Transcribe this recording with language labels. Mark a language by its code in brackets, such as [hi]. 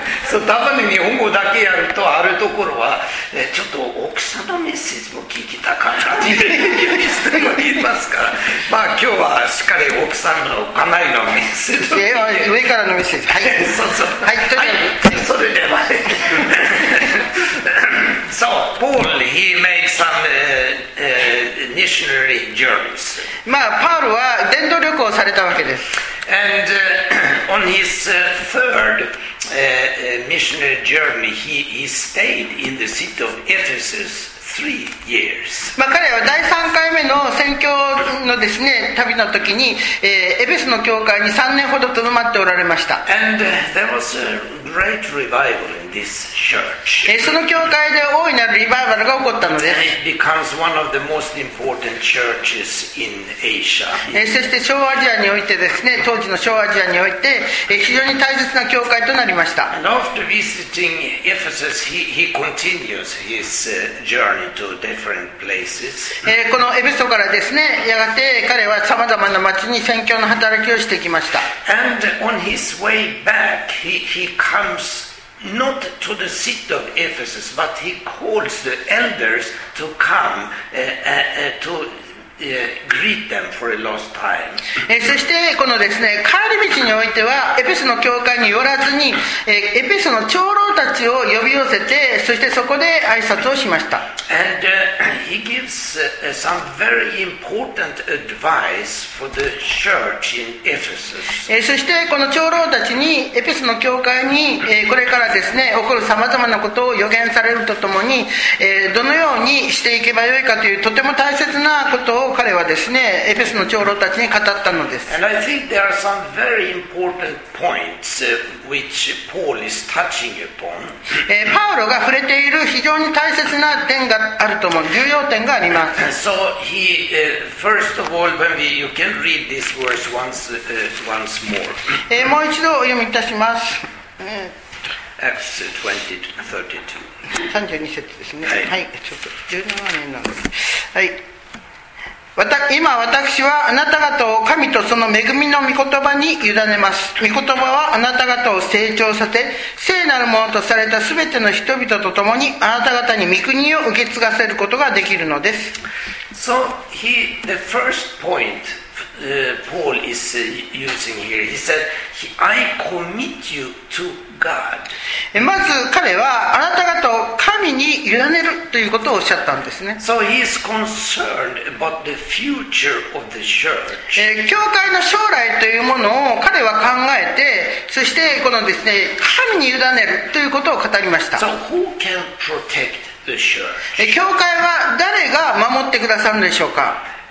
[ja] そう、たまに日本語だけやるとあるところは、ちょっと奥さんのメッセージも聞きたかなって言いますから、まあ今日はしっかり奥さんの家内のメッセージ、上からのメッセージ、はい、そうそう、はい、はい、それでは。 [en] So, Paul, he makes some missionary journeys. [ja] まあ、パウルは伝道旅行をされたわけです。 [en] And on his third missionary journey, he stayed in the city of Ephesus 3 years. [ja] まあ、彼は第3回目の宣教のですね、旅の時に、エフェスの教会に3年ほど留まっておられました。 [en] And there was a great revival in this church. [ja] その教会で大いなるリバイバルが起こったのです。 [en] And it becomes one of the most important churches in Asia. [ja] そして小アジアにおいてですね、当時の小アジアにおいて、非常に大切な教会となりました。 [en] And after visiting Ephesus, he continues his journey traveled to different places. [ja] このエベソからですね、やがて彼はさまざまな町に宣教の働きをしてきました。 [en] And on his way back, he comes not to the city of Ephesus, but he calls the elders to come to. Greet them for a lost time. [ja] そしてこのですね、帰り道においてはエペソの教会に寄らずに、エペソの長老たちを呼び寄せて、そしてそこで挨拶をしました。 [en] And he gives some very important advice for the church in Ephesus. [ja] そしてこの長老たちにエペソの教会に、これからですね起こるさまざまなことを予言されるとともに、どのようにしていけばよいかというとても大切なことを彼はですね、エペソの長老たちに語ったのです。 [en] And I think there are some very important points which Paul is touching upon. [ja] パウロが触れている非常に大切な点があると思う。重要点があります。 [en] So he, first of all, when we, you can read this verse once more. [ja] もう一度お読みいたします。 [en] Acts 20-32. [ja] 32節ですね。はい。ちょっと17年なんです。はい。今私はあなた方を神とその恵みの御言葉に委ねます。御言葉はあなた方を成長させ、聖なるものとされた全ての人々と共にあなた方に御国を受け継がせることができるのです。 [en] So he, the first point Paul is using here, he said, I commit you to God. [ja] まず彼はあなた方を神に委ねるということをおっしゃったんですね。 [en] So he is concerned about the future of the church. [ja] 教会の将来というものを彼は考えて、そしてこのですね、神に委ねるということを語りました。 [en] So who can protect the church? [ja] 教会は誰が守ってくださるでしょうか。